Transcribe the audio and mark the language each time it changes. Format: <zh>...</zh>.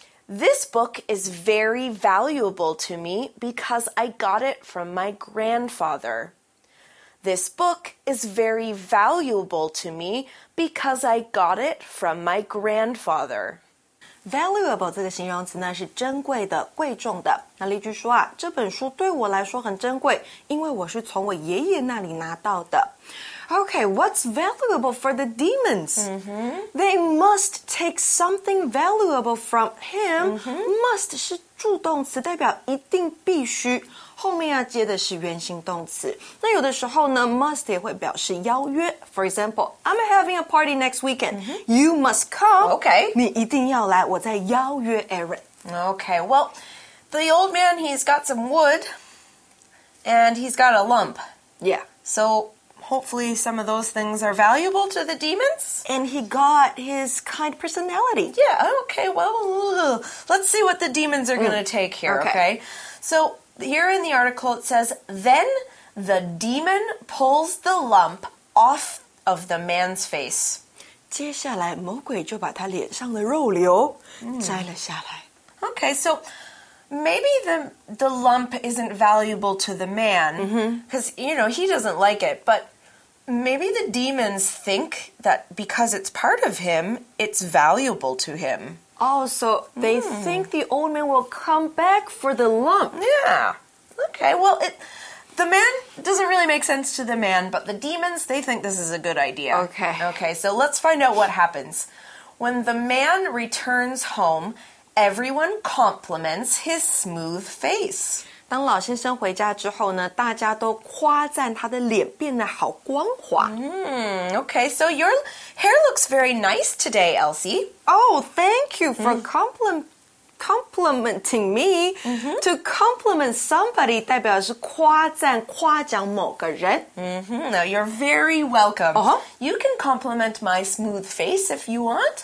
<en>This book is very valuable to me because I got it from my grandfather. This book is very valuable to me because I got it from my grandfather.</en> <zh>Valuable 这个形容词呢是珍贵的、贵重的。那例句说啊，这本书对我来说很珍贵，因为我是从我爷爷那里拿到的。</zh> <en>Okay, what's valuable for the demons? They must take something valuable from him.</en> <zh>Must 是助动词，代表一定必须。后面要接的是原形动词。那有的时候呢 ，must 也会表示邀约。</zh> <en>For example, I'm having a party next weekend. You must come. Okay.</en> <zh>你一定要来，我在邀约 Aaron.</zh> <en>Okay. Well, the old man, he's got some wood, and he's got a lump. Yeah. So... Hopefully some of those things are valuable to the demons. And he got his kind personality. Yeah, okay, well, let's see what the demons are going to take here, okay? So here in the article it says, Then the demon pulls the lump off of the man's face.</en> <zh>接下来魔鬼就把他脸上的肉瘤摘了下来。</zh> <en>Okay, so... Maybe the lump isn't valuable to the man, because, you know, he doesn't like it. But maybe the demons think that because it's part of him, it's valuable to him. Oh, so they think the old man will come back for the lump. Yeah. Okay, well, the man doesn't really make sense to the man, but the demons, they think this is a good idea. Okay. Okay, so let's find out what happens. When the man returns home... Everyone compliments his smooth face.</en> <zh>当老先生回家之后呢，大家都夸赞他的脸变得好光滑。</zh> <en>Okay, so your hair looks very nice today, Elsie. Oh, thank you for complimenting me. To compliment somebody</en> <zh>代表是夸赞、夸奖某个人。</zh> <en>Now you're very welcome. You can compliment my smooth face if you want.</en>